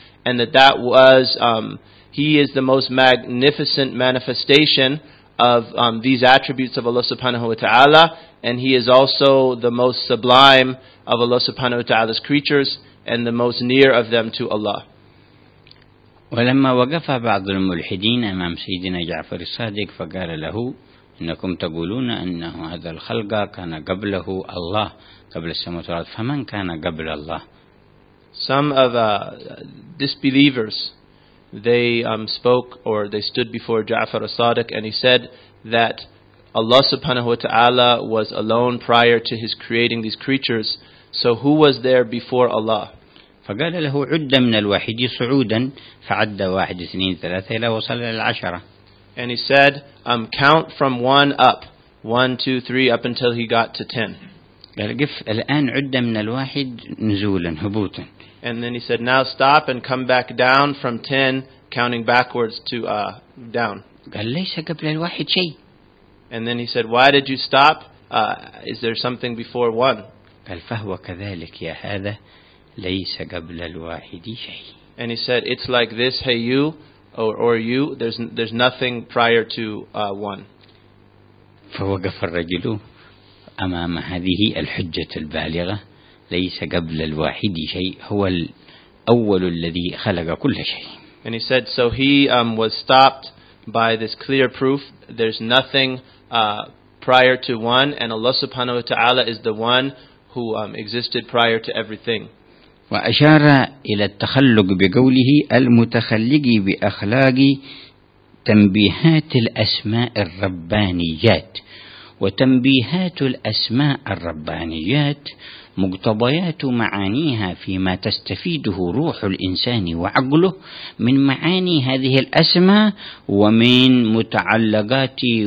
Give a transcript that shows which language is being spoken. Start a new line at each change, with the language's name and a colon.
English: And that was, he is the most magnificent manifestation of these attributes of Allah subhanahu wa ta'ala, and he is also the most sublime of Allah subhanahu wa ta'ala's creatures, and the most near of them to Allah.
Arabic: ولما وقف بعض الملحدين أمام سيدنا جعفر الصادق فقال له إنكم تقولون أنه هذا الخلق كان قبله الله قبل السماوات والأرض فمن كان قبل الله؟
English: Some of the disbelievers, they spoke or they stood before Ja'far al-Sadiq, and he said that Allah subhanahu wa ta'ala was alone prior to his creating these creatures. So who was there before Allah?
Arabic: فقال له عد من الواحد صعودا فعد واحد اثنين ثلاثة إلى وصل إلى العشرة.
English: And he said, count from one up, one, two, three, up until he got to ten.
Arabic: قال قف الآن عد من الواحد نزولا هبوطا.
English: And then he said, now stop and come back down from ten, counting backwards to down.
Arabic: قال ليس قبل الواحد شيء.
English: And then he said, why did you stop? Is there something before one?
Arabic: قال فهو كذلك يا هذا ليس قبل الواحد شيء.
English: And he said, it's like this, hey you, or you, there's nothing prior to one.
Arabic: فوقف الرجل أمام هذه الحجة البالغة ليس قبل الواحد شيء هو الأول الذي خلق كل شيء.
English: And he said, so he was stopped by this clear proof, there's nothing prior to one, and Allah subhanahu wa ta'ala is the one who existed prior to everything.
Arabic: وأشار إلى التخلق بقوله المتخلق بأخلاق تنبيهات الأسماء الربانيات، وتنبيهات الأسماء الربانيات مقتضيات معانيها فيما تستفيده روح الإنسان وعقله من معاني هذه الأسماء ومن متعلقات